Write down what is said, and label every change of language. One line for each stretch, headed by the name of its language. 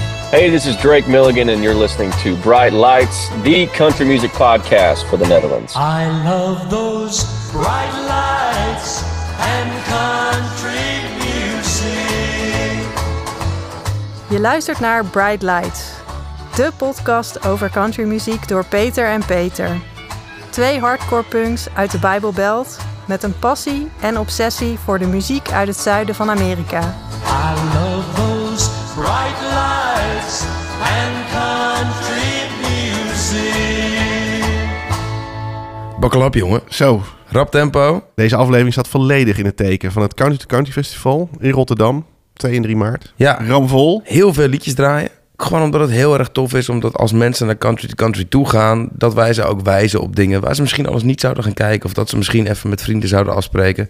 English: Hey, this is Drake Milligan, and you're listening to Bright Lights, the country music podcast for the Netherlands. I love those bright lights and country music.
Dutch: Je luistert naar Bright Lights, de podcast over country muziek door Peter en Peter. Twee hardcore punks uit de Bible Belt met een passie en obsessie voor de muziek uit het zuiden van Amerika.
English: I love those bright lights and country music. Buckle up, jongen.
Dutch: Zo. Rap tempo. Deze aflevering staat volledig in het teken van het Country to Country Festival in Rotterdam. 2 en 3 maart. Ja. Ramvol. Heel veel liedjes draaien. Gewoon omdat het heel erg tof is, omdat als mensen naar country to country toe gaan, dat wij ze ook wijzen op dingen waar ze misschien alles niet zouden gaan kijken, of dat ze misschien even met vrienden zouden afspreken.